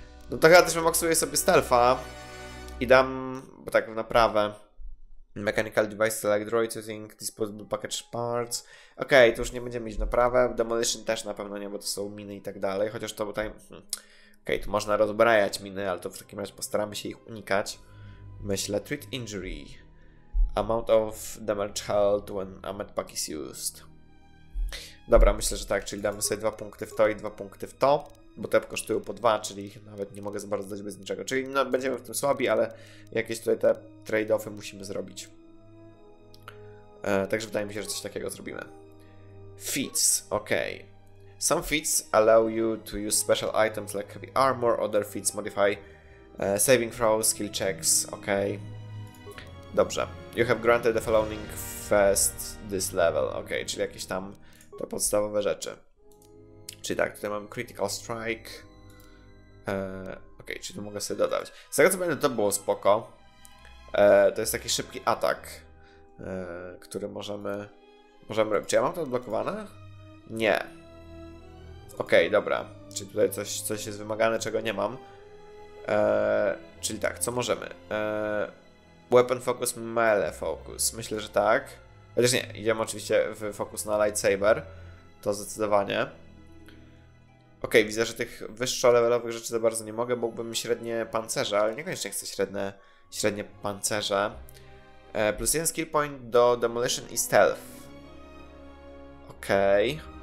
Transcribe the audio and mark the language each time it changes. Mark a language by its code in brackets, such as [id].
[pl] No tak, ja też wymaksuję sobie stealtha i dam, bo tak, naprawę. [en] Mechanical device select droid using disposable package parts. [pl] Okej, to już nie będziemy mieć naprawę. Demolition też na pewno nie, bo to są miny i tak dalej, chociaż to tutaj... Okej, tu można rozbrajać miny, ale to w takim razie postaramy się ich unikać. Myślę, treat injury. [en] Amount of damage held when a medpack is used. [pl] Dobra, myślę, że tak, czyli damy sobie 2 punkty w to i 2 punkty w to, bo te kosztują po 2, czyli ich nawet nie mogę za bardzo dać bez niczego. Czyli no, będziemy w tym słabi, ale jakieś tutaj te trade-offy musimy zrobić. Także wydaje mi się, że coś takiego zrobimy. [en] Feats, ok. Some feats allow you to use special items like heavy armor, other feats modify saving throws, skill checks, ok. Dobrze. You have granted the following first this level. [pl] Ok, czyli jakieś tam te podstawowe rzeczy. Czyli tak, tutaj mam Critical Strike. Ok, czyli tu mogę sobie dodać. Z tego co pamiętam, to było spoko. To jest taki szybki atak, który możemy robić. Czy ja mam to odblokowane? Nie. Ok, dobra. Czyli tutaj coś jest wymagane, czego nie mam. Czyli tak, co możemy? [en] Weapon focus, melee focus. [pl] Myślę, że tak. Chociaż nie, idziemy oczywiście w focus na lightsaber. To zdecydowanie. Okej, widzę, że tych wyższo-levelowych rzeczy za bardzo nie mogę. Mógłbym średnie pancerze, ale niekoniecznie chcę średnie pancerze. Plus 1 skill point do demolition i stealth. Okej.